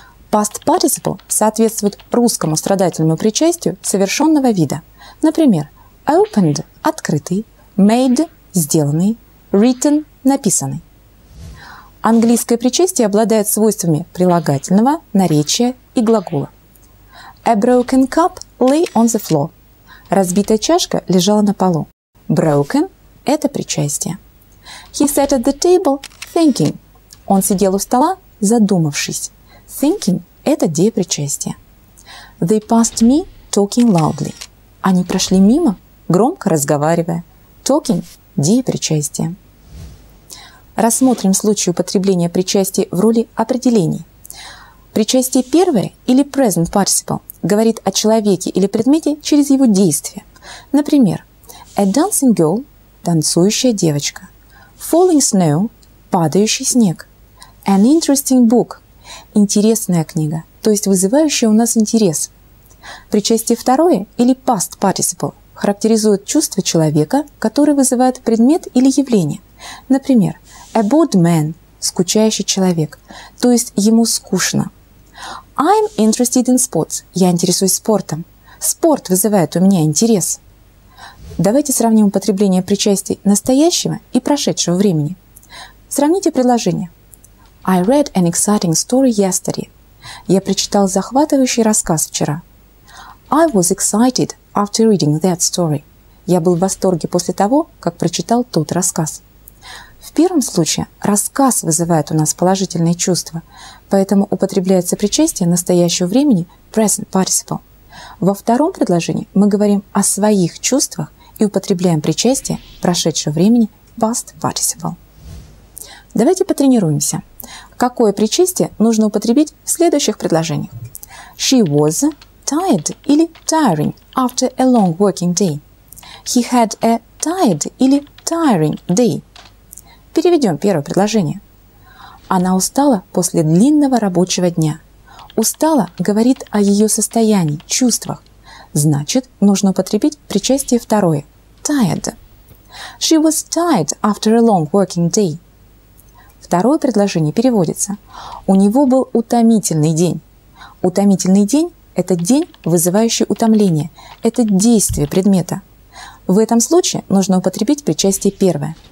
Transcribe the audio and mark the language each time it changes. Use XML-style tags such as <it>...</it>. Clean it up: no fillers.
<ru>Past participle соответствует русскому страдательному причастию совершенного вида, например, opened – открытый, made – сделанный, written – написанный. Английское причастие обладает свойствами прилагательного, наречия и глагола.</ru> <en>A broken cup lay on the floor.</en> <ru>Разбитая чашка лежала на полу. Broken – это причастие.</ru> <en>He sat at the table thinking.</en> <ru>Он сидел у стола, задумавшись. Thinking – это деепричастие.</ru> <en>They passed me talking loudly.</en> <ru>Они прошли мимо, громко разговаривая. Talking – деепричастие. Рассмотрим случай употребления причастия в роли определений. Причастие первое или present participle говорит о человеке или предмете через его действие. Например,</ru> <en>a dancing girl</en> <ru>– танцующая девочка.</ru> <en>Falling snow</en> <ru>– падающий снег.</ru> <en>An interesting book</en> <ru>– интересная книга, то есть вызывающая у нас интерес. Причастие второе или past participle характеризует чувство человека, которое вызывает предмет или явление. Например,</ru> <en>a bored man</en> <ru>– скучающий человек, то есть ему скучно.</ru> <en>I'm interested in sports.</en> <ru>Я интересуюсь спортом. Спорт вызывает у меня интерес. Давайте сравним употребление причастий настоящего и прошедшего времени. Сравните предложение.</ru> <en>I read an exciting story yesterday.</en> <ru>Я прочитал захватывающий рассказ вчера.</ru> <en>I was excited after reading that story.</en> <ru>Я был в восторге после того, как прочитал тот рассказ. В первом случае рассказ вызывает у нас положительные чувства, поэтому употребляется причастие настоящего времени present participle. Во втором предложении мы говорим о своих чувствах и употребляем причастие прошедшего времени past participle. Давайте потренируемся. Какое причастие нужно употребить в следующих предложениях?</ru> <en>She was tired или tiring after a long working day. He had a tired или tiring day.</en> <ru>Переведем первое предложение. Она устала после длинного рабочего дня. Устала говорит о ее состоянии, чувствах. Значит, нужно употребить причастие второе.</ru> <en>Tired. She was tired after a long working day.</en> <ru>Второе предложение переводится. У него был утомительный день. Утомительный день – это день, вызывающий утомление. Это действие предмета. В этом случае нужно употребить причастие первое.</ru>